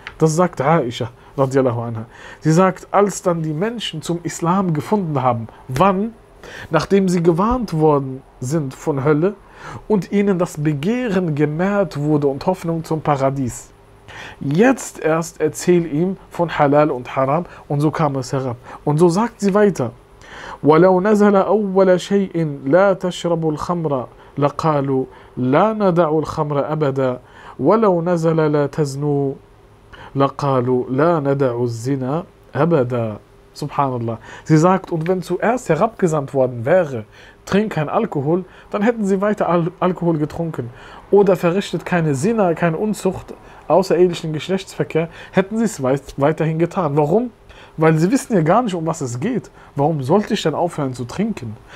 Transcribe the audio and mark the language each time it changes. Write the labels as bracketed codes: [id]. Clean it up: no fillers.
[de] Das sagt Aisha radiyallahu anha. Sie sagt, als dann die Menschen zum Islam gefunden haben, wann? Nachdem sie gewarnt worden sind von Hölle und ihnen das Begehren gemehrt wurde und Hoffnung zum Paradies. Jetzt erst erzähl ihm von Halal und Haram, und so kam es herab. Und so sagt sie weiter: [ar] وَلَوْ نَزَلَ أَوَّلَ شَيْءٍ لَا تَشْرَبُ الْخَمْرَ لَقَالُوا لَا نَدَعُ الْخَمْرَ أَبَدًا وَلَوْ نَزَلَ لَا تَزْنُوا لَقَالُوا لَا نَدَعُ الزِّنَا أَبَدًا. Subhanallah. [de] Sie sagt, und wenn zuerst herabgesandt worden wäre, trink kein Alkohol, dann hätten sie weiter Alkohol getrunken. Oder verrichtet keine Sinna, keine Unzucht, außerehelichen Geschlechtsverkehr, hätten sie es weiterhin getan. Warum? Weil sie wissen ja gar nicht, um was es geht. Warum sollte ich denn aufhören zu trinken?